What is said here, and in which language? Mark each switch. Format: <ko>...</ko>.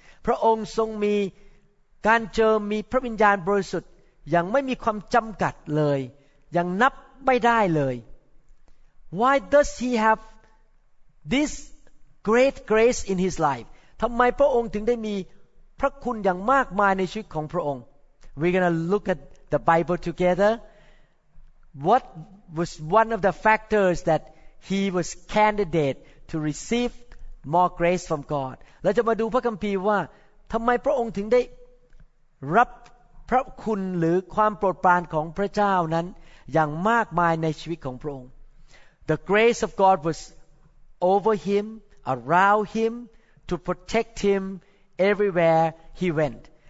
<th>พระองค์ทรงมีการเจิมมีพระวิญญาณบริสุทธิ์อย่างไม่มีความจำกัดเลยอย่างนับไม่ได้เลย</th> <en>Why does he have this great grace in his life?</en> <th>ทำไมพระองค์ถึงได้มีพระคุณอย่างมากมายในชีวิตของพระองค์</th> <en>We're going to look at the Bible together. What was one of the factors thatHe was candidate to receive more grace from God.</en> <th>เราจะมาดูพระคัมภีร์ว่าทำไมพระองค์ถึงได้รับพระคุณหรือความโปรดปรานของพระเจ้านั้นอย่างมากมายในชีวิตของพระองค์</th> <en>The grace of God was over him, around him, to protect him everywhere he went.</en>